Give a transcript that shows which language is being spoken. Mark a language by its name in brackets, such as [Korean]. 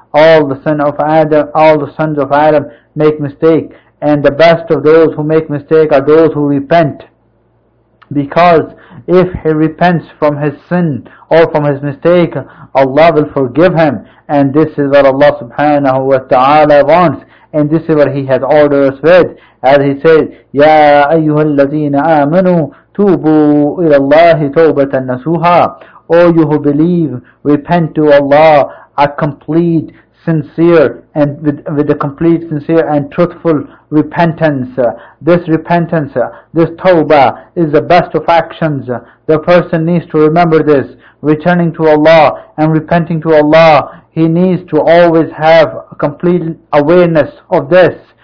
[English] All the sons of Adam make mistake, and the best of those who make mistake are those who repent. Because if he repents from his sin or from his mistake, Allah will forgive him. And this is what Allah subhanahu wa ta'ala wants. And this is what He has ordered us with. As He said, [Arabic] يَا أَيُّهَا الَّذِينَ آمَنُوا تُوبُوا إِلَى اللَّهِ تَوْبَةً نَسُوحًا. [English] O you who believe, repent to Allah a complete, sincere, and with a complete, sincere, and truthful repentance. This repentance, this tawbah, is the best of actions. The person needs to remember this. Returning to Allah and repenting to Allah, he needs to always have a complete awareness of this.